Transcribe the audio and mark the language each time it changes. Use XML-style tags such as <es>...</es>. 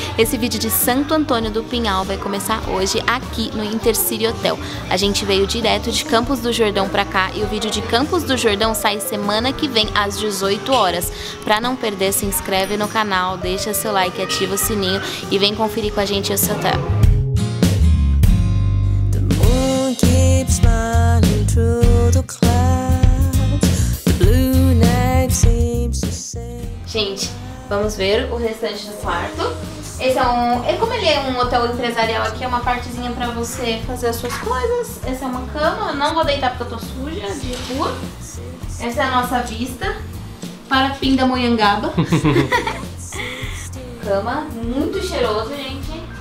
<pt>Esse vídeo de Santo Antônio do Pinhal vai começar hoje aqui no Intercity Hotel. A gente veio direto de Campos do Jordão pra cá e o vídeo de Campos do Jordão sai semana que vem às 18 horas. Pra não perder, se inscreve no canal, deixa seu like, ativa o sininho e vem conferir com a gente esse hotel.</pt> <en>The moon keeps smiling through the clouds. The blue night seems to say...</en> <pt>Gente, vamos ver o restante do quarto. Esse é um... Como ele é um hotel empresarial aqui, é uma partezinha pra você fazer as suas coisas. Essa é uma cama. Não vou deitar porque eu tô suja de rua. Essa é a nossa vista para Pindamonhangaba. Cama muito cheiroso, gente.</pt>